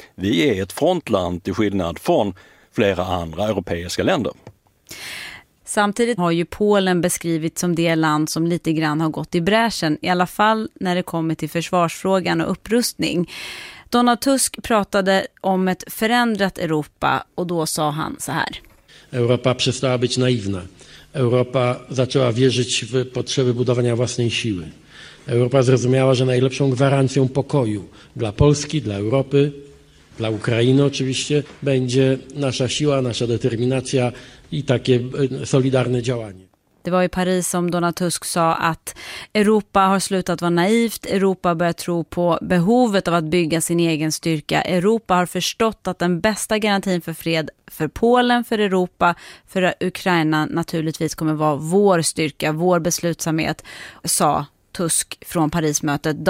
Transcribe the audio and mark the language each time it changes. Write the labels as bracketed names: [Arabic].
[Swedish] Vi är ett frontland till skillnad från flera andra europeiska länder. Samtidigt har ju Polen beskrivits som det land som lite grann har gått i bräschen, i alla fall när det kommer till försvarsfrågan och upprustning. Donald Tusk pratade om ett förändrat Europa och då sa han så här. [Polish] Europa przestała być naiwna. Europa zaczęła wierzyć w potrzeby budowania własnej siły. Europa zrozumiała, że najlepszą gwarancją pokoju dla Polski, dla Europy, dla Ukrainy oczywiście, będzie nasza siła, nasza determinacja i takie solidarne działanie. [Swedish] Det var i Paris som Donald Tusk sa att Europa har slutat vara naivt, Europa börjar tro på behovet av att bygga sin egen styrka. Europa har förstått att den bästa garantin för fred för Polen, för Europa, för Ukraina naturligtvis kommer vara vår styrka, vår beslutsamhet, sa Tusk från Parismötet.